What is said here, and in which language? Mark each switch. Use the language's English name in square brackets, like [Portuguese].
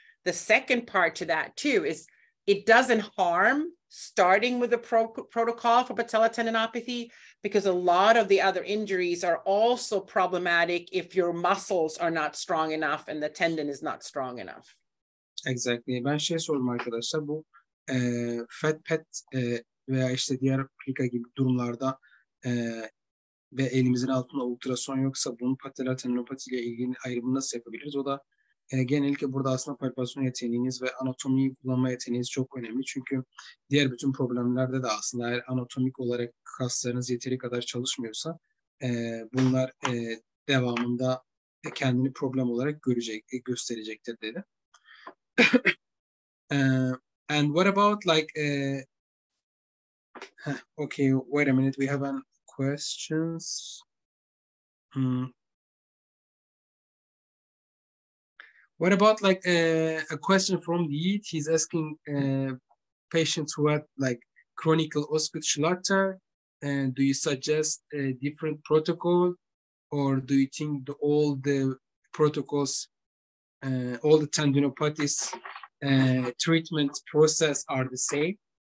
[English] The second part to that too is it doesn't harm starting with the protocol for patellar tendinopathy, because a lot of the other injuries are also problematic if your muscles are not strong enough and the tendon is not strong enough. Exactly. [Turkish] Ben şey sordum arkadaşlar, bu fat pad veya işte diğer plika gibi durumlarda ve elimizin altında ultrason yoksa bunun patellar tendinopati ile ilgili ayrımı nasıl yapabiliriz? O da genellikle burada aslında palpasyon yeteneğiniz ve anatomiyi kullanma yeteneğiniz çok önemli. Çünkü diğer bütün problemlerde de aslında eğer anatomik olarak kaslarınız yeteri kadar çalışmıyorsa bunlar devamında kendini problem olarak görecek, gösterecektir dedi. [English] And what about like okay, wait a minute, we have an questions. What about like a question from the EAT? He's asking patients who had like chronic osseous Schlatter, and do you suggest a different protocol, or do you think the, all the protocols, all the tendinopathies treatment process are the same?